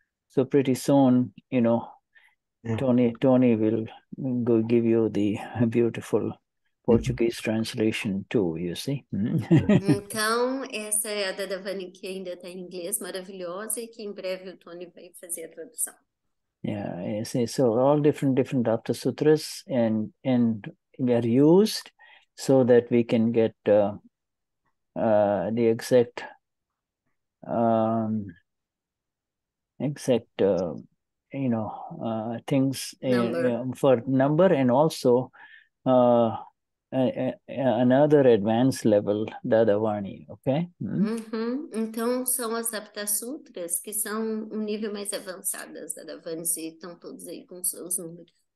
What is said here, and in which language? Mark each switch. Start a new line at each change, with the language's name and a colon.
English: So pretty soon, you know, Tony will go give you the beautiful Portuguese translation too, you see.
Portuguese: Então, essa é a Dadavani que ainda está em inglês, maravilhosa, e que em breve o Tony vai fazer a tradução.
English: Yeah, so all different Apta Sutras and they are used so that we can get the exact things for number, and also another advanced level Dadavani, okay? Mm-hmm.
Portuguese: Então são as Saptasutras que são um nível mais avançado das Dadavanis, e estão todos aí com seus números.